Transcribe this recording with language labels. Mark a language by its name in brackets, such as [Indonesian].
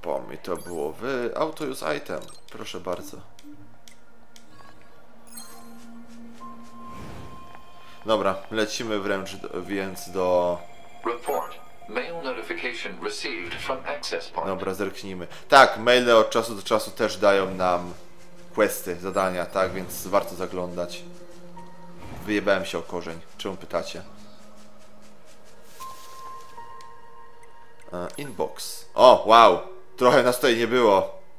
[Polish] Mi to było wy. [English] Auto use item. [Polish] Proszę bardzo. Dobra, lecimy wręcz więc do. [English] Report. Mail notification received from access point. [Polish] Dobra, zerknijmy. Tak, maile od czasu do czasu też dają nam questy, zadania, tak, więc warto zaglądać. Wyjebałem się o korzeń. Czemu pytacie? [English] Inbox. O, wow! [Polish] Trochę nas tutaj nie było.